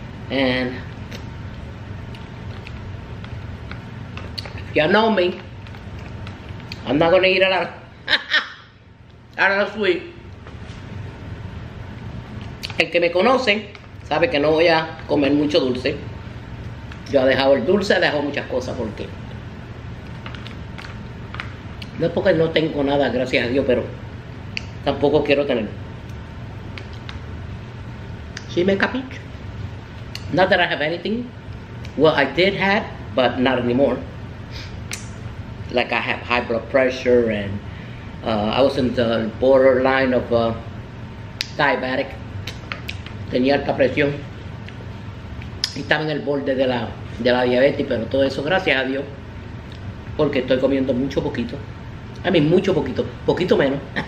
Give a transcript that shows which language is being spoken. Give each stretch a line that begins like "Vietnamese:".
English: And if y'all know me, I'm not gonna eat a lot of, sweet.
Spanish: El que me conoce sabe que no voy a comer mucho dulce. Yo he dejado el dulce, he dejado muchas cosas porque no es porque no tengo nada, gracias a Dios, pero tampoco quiero tener. ¿Sí me capiche?
English: Not that I have anything. Well, I did have, but not anymore. Like I have high blood pressure and I was in the borderline of diabetic.
Spanish: Tenía alta presión. Y estaba en el borde de la diabetes, pero todo eso gracias a Dios. Porque estoy comiendo mucho poquito.
English: I mean,
Spanish: mucho poquito. Poquito menos.